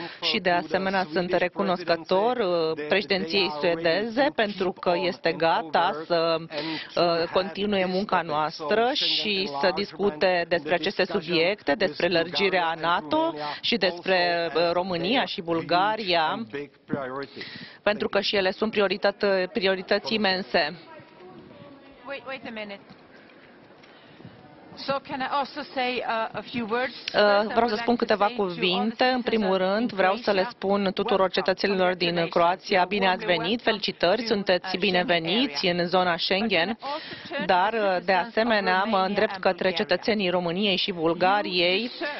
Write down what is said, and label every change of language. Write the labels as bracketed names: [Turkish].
[Romanian] Și de asemenea sunt recunoscător președinției suedeze pentru că este gata să continue munca noastră și să discute despre aceste subiecte, despre lărgirea NATO și despre România și Bulgaria, pentru că și ele sunt priorități imense. [English] Wait a minute. So can I also say a few words? [Romanian] Vreau să spun câteva cuvinte. În primul rând, vreau să le spun tuturor cetățenilor din Croația: bine ați venit, felicitări, sunteți bineveniți în zona Schengen. Dar, de asemenea, mă îndrept către cetățenii României și Bulgariei.